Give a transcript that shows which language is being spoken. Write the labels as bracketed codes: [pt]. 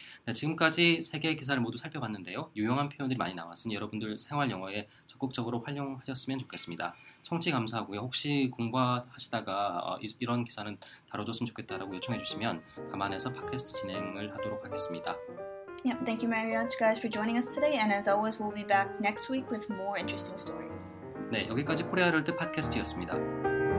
[ko] 네, 지금까지 세 개의 기사를 모두 살펴봤는데요. 유용한 표현들이 많이 나왔으니 여러분들 생활 영어에 적극적으로 활용하셨으면 좋겠습니다. 청취 감사하고요. 혹시 공부하시다가 이런 기사는 다뤄줬으면 좋겠다라고 요청해 주시면 감안해서 팟캐스트 진행을 하도록 하겠습니다. [en] Yep, thank you, Mariach, guys, for joining us today. And as always, we'll be back next week with more interesting stories. [ko] 네, 여기까지 코리아를 뜻 팟캐스트였습니다.